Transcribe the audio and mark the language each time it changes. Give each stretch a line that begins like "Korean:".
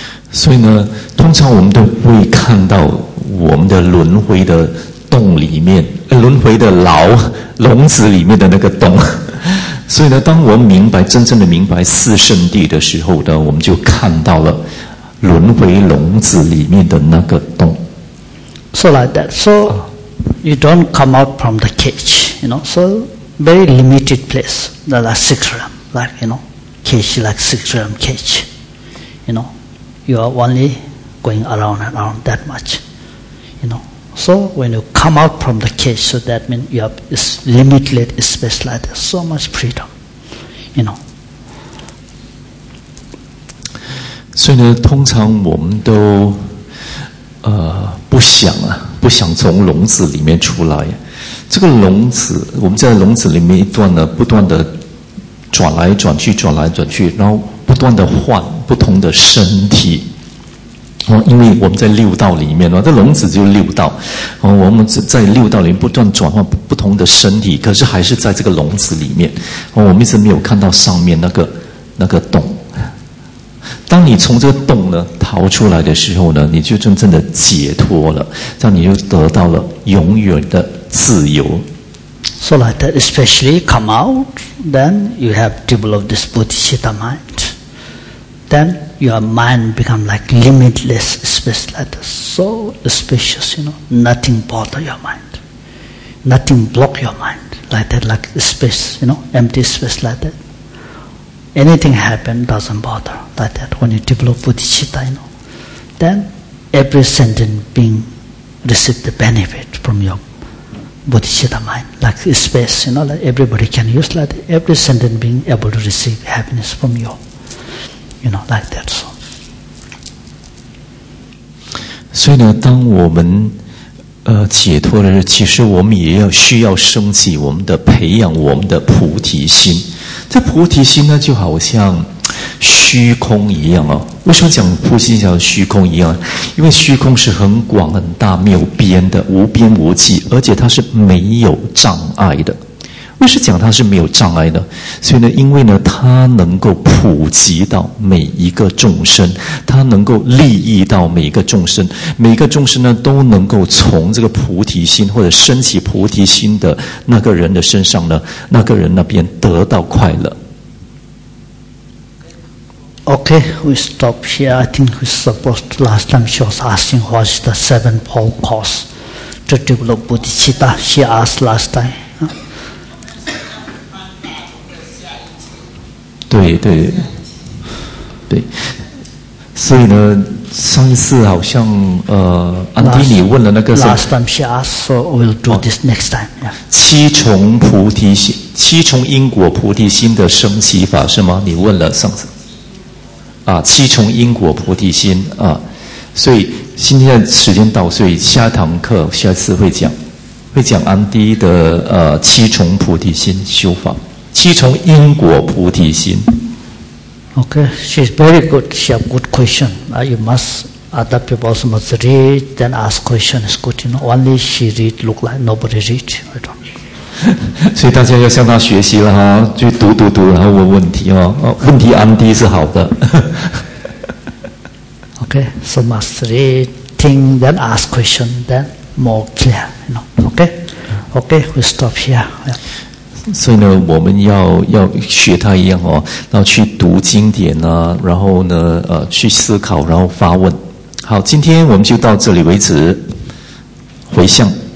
Chinese: 所以呢，通常我们都会看到我们的轮回的洞里面，轮回的牢笼子里面的那个洞。所以呢，当我们明白真正的明白四圣谛的时候呢，我们就看到了轮回笼子里面的那个洞。
English: So like that. So. You don't come out from the cage, you know. So very limited place, the six realm, like you know, cage like six realm cage. You know, you are only going around and around that much. You know. So when you come out from the cage, so that means you have this limitless space, like there's so much freedom. You know.
Chinese: 所以呢，通常我们都不想啊，不想从笼子里面出来。这个笼子，我们在笼子里面一段呢，不断的转来转去，转来转去，然后不断的换不同的身体。哦，因为我们在六道里面嘛，这笼子就是六道。哦，我们在六道里面不断转换不同的身体，可是还是在这个笼子里面。哦，我们一直没有看到上面那个洞。当你从这个洞呢逃出来的时候呢，你就真正的解脱了，这样你就得到了永远的自由。
English: So like that, especially come out, then you have developed this bodhicitta mind. Then your mind become like limitless space, like this. So spacious, you know, nothing bother your mind, nothing block your mind, like that, like space, you know, empty space, like that. Anything happen doesn't bother like that. When you develop bodhicitta, you know, then every sentient being receive the benefit from your bodhicitta mind. Like space, you know, like everybody can use like that. Every sentient being able to receive happiness from you, you know, like that. So,
Chinese: 所以呢，当我们解脱的时候，其实我们也要需要升起我们的培养我们的菩提心。这菩提心呢，就好像虚空一样哦。为什么讲菩提心像虚空一样？因为虚空是很广很大，没有边的，无边无际，而且它是没有障碍的。为什么讲它是没有障碍呢？所以呢，因为呢，它能够普及到每一个众生，它能够利益到每一个众生，每一个众生呢都能够从这个菩提心或者升起菩提心的那个人的身上呢，那个人那边得到快乐。
English: Okay, we stop here. I think we supposed last time she was asking what's the sevenfold course to develop bodhicitta. She asked last time.
Chinese: 对对对，所以呢，上一次好像安迪你问了那个
English: ，Last time she asked, so we'll do this next time.、
Chinese: 七重菩提心，七重因果菩提心的升起法是吗？你问了上次啊，七重因果菩提心啊，所以今天的时间到，所以下一堂课下次会讲安迪的七重菩提心修法。七重因果菩提心。
English: Okay, she's very good. She have good question. You must other people must read then ask question. It's good. You know, only she read look like nobody read. I don't.
Chinese: 所以大家要向她学习了哈，去读读读，然后问问题哦。问题安迪是好的。
English: Okay, so must read, think, then ask question, then more clear. You know. Okay, okay, we stop here.、Yeah.
Chinese: 所以呢，我们要学他一样哦，然后去读经典啊，然后呢，去思考，然后发问。好，今天我们就到这里为止。回向。